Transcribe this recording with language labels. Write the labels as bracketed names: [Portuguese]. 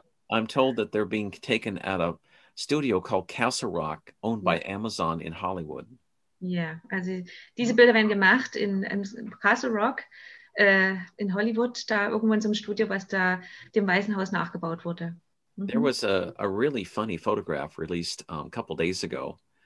[English] I'm told that they're being taken at a studio called Castle Rock, owned by Amazon in Hollywood. Ja, yeah. [German] Also diese Bilder werden gemacht in Castle Rock in Hollywood, da irgendwo in so einem Studio, was da dem Weißen Haus nachgebaut wurde. [English] There was a really funny photograph released a couple days ago.